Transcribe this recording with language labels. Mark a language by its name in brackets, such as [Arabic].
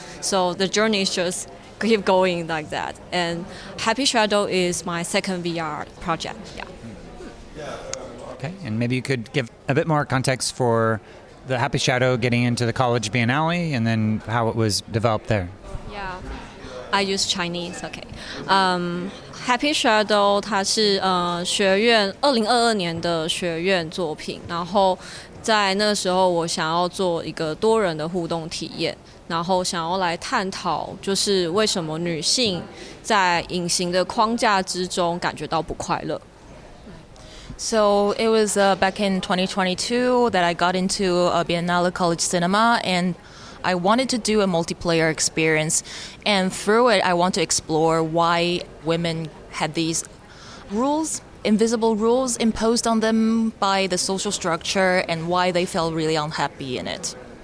[English] So the journey is just keep going like that. And Happy Shadow is my second VR project. Yeah. Okay, and maybe you could give a bit more context for the Happy Shadow getting into the College Biennale and then how it was developed there. Yeah, I use Chinese, okay. [Chinese] Happy Shadow 它是学院 2022年的学院作品, 然后在那时候我想要做一个多人的互动体验, 然后想要来探讨就是为什么女性在隐形的框架之中感觉到不快乐。 [English] So it was back in 2022 that I got into Biennale College Cinema, and I wanted to do a multiplayer experience. And through it, I want to explore why women had these rules, invisible rules imposed on them by the social structure, and why they felt really unhappy in it.